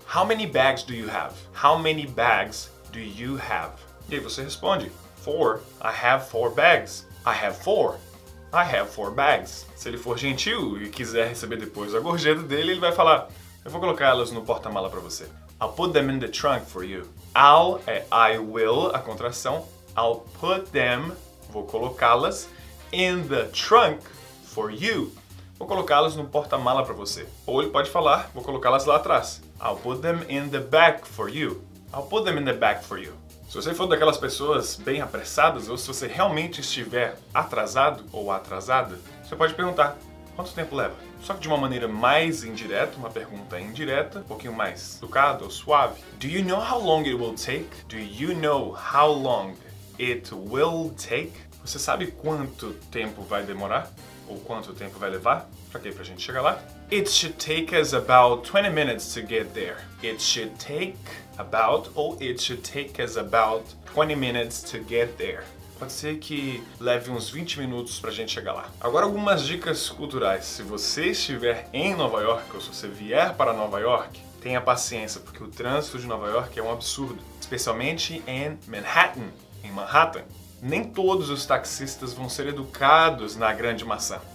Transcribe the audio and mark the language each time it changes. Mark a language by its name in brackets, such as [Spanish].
[English] How many bags do you have? How many bags do you have? [Portuguese] E aí você responde, 4. [English] I have 4 bags. I have 4. I have 4 bags. [Portuguese] Se ele for gentil e quiser receber depois a gorjeta dele, ele vai falar, eu vou colocar elas no porta-mala para você. [English] I'll put them in the trunk for you. I'll é I will, [Portuguese] a contração. [English] I'll put them, [Portuguese] vou colocá-las, [English] in the trunk for you. [Portuguese] Vou colocá-las no porta-mala para você. Ou ele pode falar, vou colocá-las lá atrás. [English] I'll put them in the back for you. I'll put them in the back for you. [Portuguese] Se você for daquelas pessoas bem apressadas, ou se você realmente estiver atrasado ou atrasada, você pode perguntar, quanto tempo leva? Só que de uma maneira mais indireta, uma pergunta indireta, um pouquinho mais educada ou suave. [English] Do you know how long it will take? Do you know how long it will take? [Portuguese] Você sabe quanto tempo vai demorar? Ou quanto tempo vai levar? Pra quê? Pra gente chegar lá? [English] It should take us about 20 minutes to get there. It should take about, ou it should take us about 20 minutes to get there. [Portuguese] Pode ser que leve uns 20 minutos pra gente chegar lá. Agora algumas dicas culturais. Se você estiver em Nova York, ou se você vier para Nova York, tenha paciência, porque o trânsito de Nova York é um absurdo. Especialmente em Manhattan, em Manhattan. Nem todos os taxistas vão ser educados na Grande Maçã.